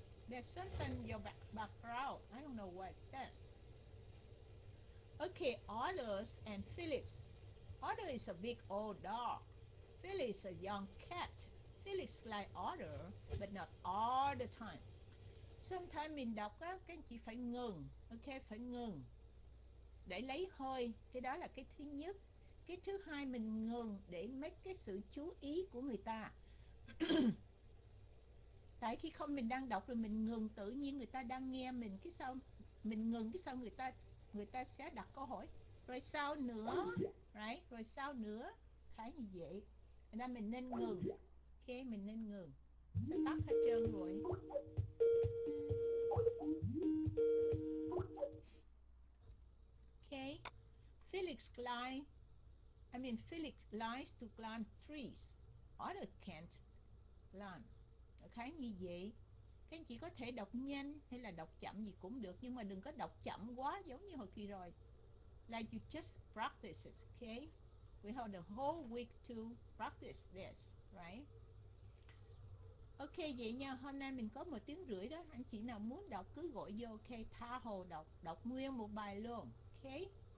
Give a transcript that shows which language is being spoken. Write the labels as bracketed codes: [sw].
[en] There's some sound in your background. I don't know what that. Okay, Otto's and Felix. Otto is a big old dog. Felix is a young cat. Felix like Otto, but not all the time. Sometimes [vi] mình đọc á, các anh chị phải ngừng. Okay, phải ngừng. Để lấy hơi, cái đó là cái thứ nhất. Cái thứ hai mình ngừng để mấy cái sự chú ý của người ta. Tại khi không mình đang đọc rồi mình ngừng tự nhiên người ta đang nghe mình. Cái sau mình ngừng cái sau người ta sẽ đặt câu hỏi rồi sao nữa, right? Rồi sao nữa, khá như vậy nên mình nên ngừng. Ok, mình nên ngừng, sẽ tắt hết trơn rồi. [en] Ok, Felix Klein I mean, Felix likes to climb trees. Others can't climb. Okay, [vi] như vậy. Các anh chị có thể đọc nhanh hay là đọc chậm gì cũng được, nhưng mà đừng có đọc chậm quá giống như hồi kỳ rồi. [en] Like you just practice it, okay? We have the whole week to practice this, right? [vi] Okay, vậy nha. Hôm nay mình có một tiếng rưỡi đó. Anh chị nào muốn đọc cứ gọi vô, okay? Tha hồ đọc, đọc nguyên một bài luôn, okay?